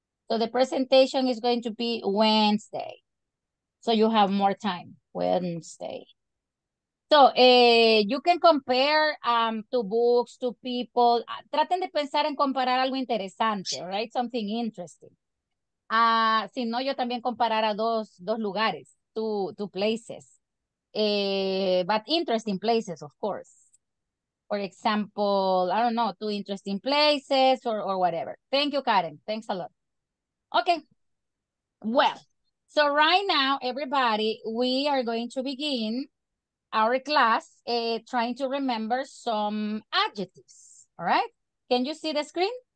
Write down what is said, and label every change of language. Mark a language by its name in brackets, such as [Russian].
[English] So the presentation is going to be Wednesday. So you have more time. Wednesday. So you can compare to books, to people. [Spanish] Traten de pensar en comparar algo interesante, right? [English] Something interesting. [Spanish] Si no, yo también comparara dos lugares, [English] two places. But interesting places, of course. For example, I don't know, two interesting places or whatever. Thank you, Karen. Thanks a lot. Okay. Well, so right now, everybody, we are going to begin our class trying to remember some adjectives. All right? Can you see the screen?